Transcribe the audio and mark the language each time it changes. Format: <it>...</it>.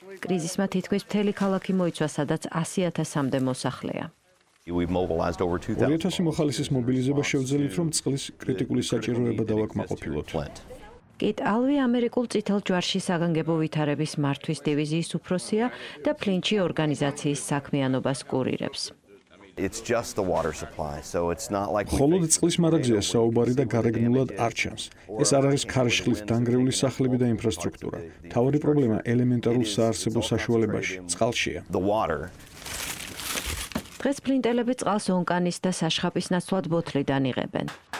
<ka>კრიზისმა თითქმის მთელი ქალაქი მოიცვა, სადაც 100,000-მდე მოსახლეა.</ka> <en>We mobilized over 2000.</en> <ka>2000 მოხალისის მობილიზება შევძელით, რომ წყლის კრიტიკული საჭიროება დავაკმაყოფილოთ. კეთ ალვი ამერიკულ წითელ ჯვარში საგანგებო ვითარების მართვის დივიზიის უფროსია და ფლინჩი ორგანიზაციის საქმიანობას კურირებს.</ka> <en>It's just the water supply, so it's not like</en> <ka>ხოლო წყლის მარაგზეა საუბარი და გარეგნულად არ ჩანს. ეს არ არის ქარიშხლით დანგრეული სახლები და ინფრასტრუქტურა. მთავარი პრობლემა ელემენტარულ საარსებო საშუალებაში, წყალშია. დღეს ფლინტელები წყალს ონკანის და საშხაპის ნაცვლად ბოთლიდან იღებენ.</ka>